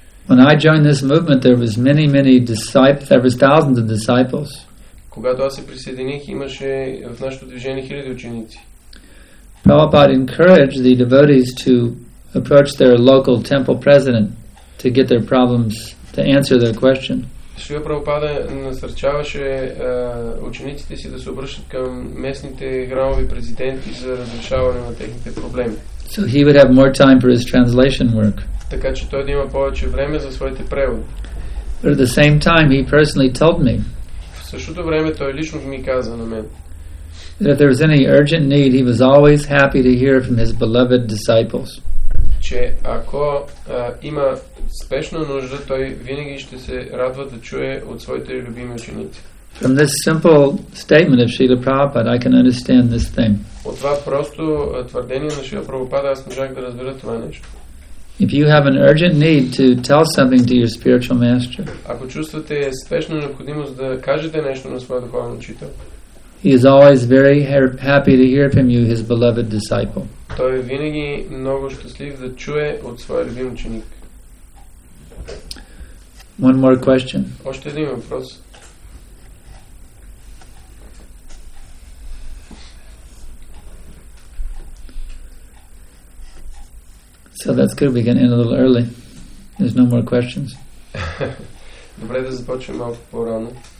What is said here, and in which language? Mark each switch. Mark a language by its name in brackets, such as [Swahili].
[English] When I joined this movement, there was many disciples. There was thousands of disciples. [Bulgarian] Когато аз се присъединих, имаше в нашето движение хиляди ученици. [English] Prabhupada encouraged the devotees to approach their local temple president to get their problems, to answer their question. [Bulgarian] Шрила Прабхупада насърчаваше учениците си да се обръщат към местните храмови президенти за разрешаване на техните проблеми. [English] So he would have more time for his translation work. [Bulgarian] Така че той да има повече време за своите преводи. [English] But at the same time, he personally told me. [Bulgarian] В същото време той лично ми каза на мен. [English] That if there was any urgent need, he was always happy to hear from his beloved disciples. [Bulgarian] Че ако има спешна нужда, той винаги ще се радва да чуе от своите любими ученици. [English] From this simple statement of Srila Prabhupada, I can understand this thing. [Bulgarian] От това просто твърдение на Шрила Прабхупада, аз можах да разбера това нещо. [English] If you have an urgent need to tell something to your spiritual master, [Bulgarian] ако чувствате спешна необходимост да кажете нещо на своя духовен учител, [English] he is always very happy to hear from you, his beloved disciple. [Bulgarian] Той е винаги много щастлив да чуе от своя любим ученик. [English] One more question. [Bulgarian] Още един въпрос. [English] So that's good. We can end a little early. There's no more questions. [Bulgarian] Добре да започнем малко по-рано.